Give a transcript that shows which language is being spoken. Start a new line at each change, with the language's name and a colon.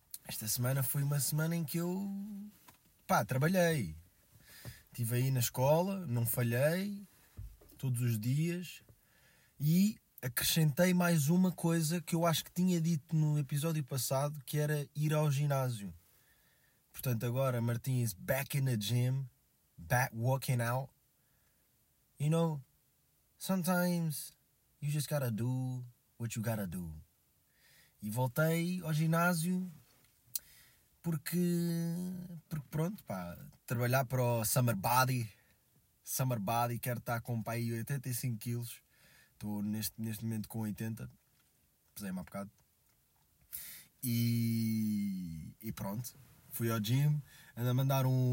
Portuguese: Esta semana foi uma semana em que eu, pá, trabalhei. Estive aí na escola, não falhei, todos os dias. E acrescentei mais uma coisa que eu acho que tinha dito no episódio passado, que era ir ao ginásio. Portanto, agora,
English: Martins, back in the gym, back working out. You know, sometimes you just gotta do what you gotta do.
Portuguese: E voltei ao ginásio porque pronto, pá, trabalhar para o Summer Body, quero estar com pai 85 kg, estou neste momento com 80, pesei-me há bocado, e pronto, fui ao gym, ando a mandar